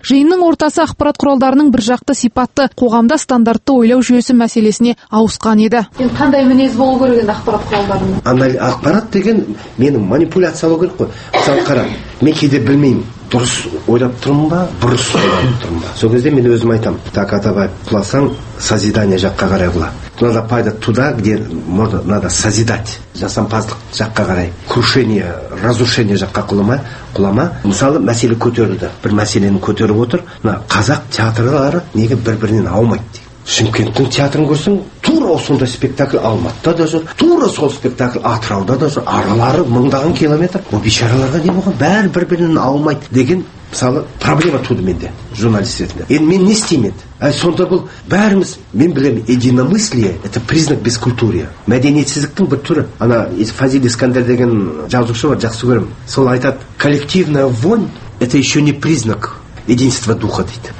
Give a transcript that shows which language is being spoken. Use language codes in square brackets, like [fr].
[kk] Жиынның ортасы ақпарат құралдарының бір жақты сипатты, қоғамда стандартты ойлау жүйесі мәселесіне ауысқан еді. Енді қандай мінез болу керек енді ақпарат құралдарының? Ақпарат деген мені манипуляциялау керек қой. Мысалы қара, мен кейде білмеймін, дұрыс ойлап тұрмын ба, бұрыс ойлап тұрмын ба. Сол кезде мен өзім айтам, так атабай құласаң, созидание жаққа қарай құла. [ru] Надо пайда туда, где можно, надо созидать. [kk] Жасампаздық жаққа қарай. [ru] Крушение, разрушение [kk] жаққа құлама, құлама. Мысалы, мәселе көтерілді. Бір мәселені көтеріп отыр. Қазақ театрлары неге бір-бірінен аумайды? Шымкенттің театрын көрсең, тура осында спектакль Алматыда да жүр, тура сол спектакль Атырауда да жүр, аралары мыңдаған километр. Бұл бешараларға не болған? Бәрі бір-бірінен аумайды деген, мысалы, проблема туды менде, журналист ретінде. Енді мен не істеймін? Сонда бұл бәріміз, мен білемін, [ru] единомыслие – это признак бескультурия. [kk] Мәдениетсіздіктің бір түрі. Ана Фазиль Искандер деген жазушы бар, жақсы көремін. Сол айтады, [ru] коллективная вонь – это еще не признак единство духа [kk] дейді.